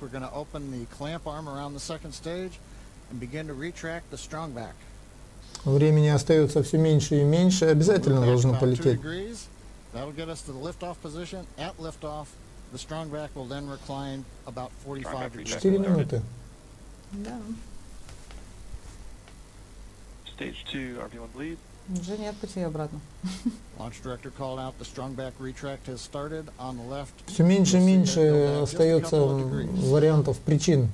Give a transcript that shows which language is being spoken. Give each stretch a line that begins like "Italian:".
English: We're going to open the clamp arm around the second stage and begin to retract the strongback.
Russian: Времени остается все меньше и меньше. Обязательно должно полететь.
English: That'll get us to the liftoff position. At liftoff, the strongback will then recline about 45 degrees.
Russian: 4 минуты. Да.
English: Stage 2, RP1 bleed.
Russian: Уже нет пути обратно.
English: Launch director called out the strongback retract has started on the left.
Russian: Все меньше и меньше остается вариантов, причин.